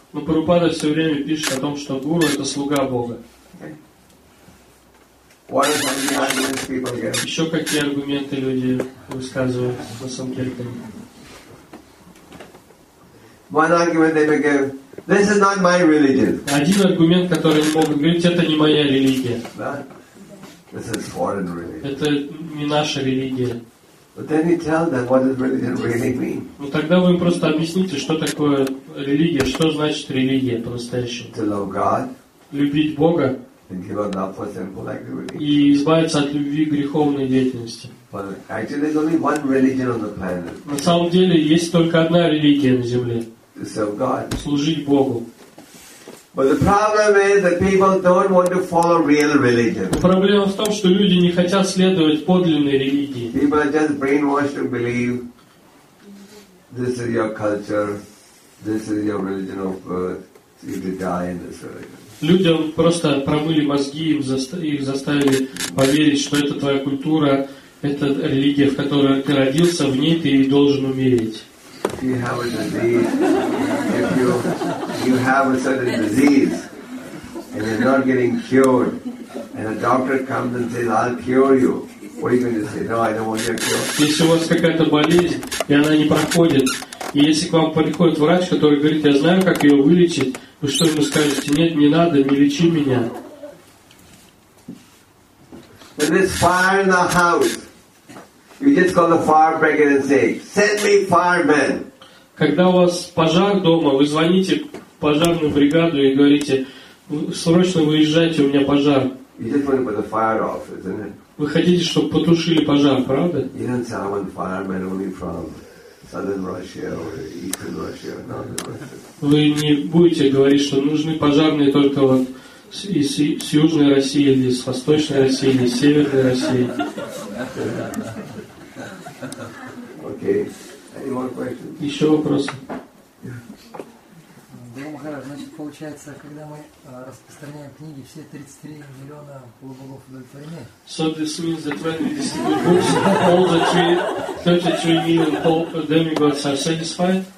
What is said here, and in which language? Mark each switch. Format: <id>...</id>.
<ru>Но Прабхупада все время пишет о том, что гуру это слуга Бога.</ru> <en>Okay. What are the arguments people give?</en> <ru>Еще какие аргументы люди высказывают по Санкиртане?</ru> <en>One argument they may give: this is not my religion.</en> <ru>Один аргумент, который они могут говорить, это не моя религия.</ru> <en>This is foreign religion.</en> <ru>Это не наша религия.</ru> <en>But then you tell them what does religion really mean.</en> <ru>Ну тогда вы просто объясните, что такое религия, что значит религия по-настоящему.</ru> <en>To love God.</en> <ru>Любить Бога.</ru> <en>And give up for sinful activity.</en> <ru>И избавиться от любви к греховной деятельности.</ru> <en>But actually, there's only one religion on the planet.</en> <ru>На самом деле есть только одна религия на Земле.</ru> <en>To serve God.</en> <ru>Служить Богу.</ru> <en>But the problem is that people don't want to follow real religion.</en> <ru>Проблема в том, что люди не хотят следовать подлинной религии.</ru> <en>People are just brainwashed to believe this is your culture, this is your religion of birth. You to die in this religion.</en> <ru>Людям просто промыли мозги, их заставили поверить, что это твоя культура, это религия, в которой ты родился, в ней ты и должен умереть.</ru> <en>If you have a disease, if you have a certain disease and you're not getting cured, and a doctor comes and says, "I'll cure you," what are you going to say? No, I don't want your cure.</en> <ru>Если у вас какая-то болезнь и она не проходит, и если к вам приходит врач, который говорит, я знаю, как ее вылечить, вы что ему скажете? Нет, не надо, не лечи меня.</ru> <en>When there's fire in the house. You just call the fire brigade and say, "Send me firemen."</en> <ru>Когда у вас пожар дома, вы звоните пожарную бригаду и говорите, срочно выезжайте, у меня пожар.</ru> <en>You just want to put the fire off, isn't it?</en> <ru>Вы хотите, чтобы потушили пожар, правда?</ru> <en>You don't say, "I want firemen only from southern Russia or eastern Russia, or northern Russia."</en> <ru>Вы не будете говорить, что нужны пожарные только вот с южной России или с восточной России или с северной России.</ru> <en>Okay.</en> <ru>Еще вопросы? Да, Махарадж, значит, получается, когда мы распространяем книги, все 33 миллиона полубогов удовлетворены.</ru> <en>So this means that when we distribute books, all the 33 million demigods are satisfied?</en>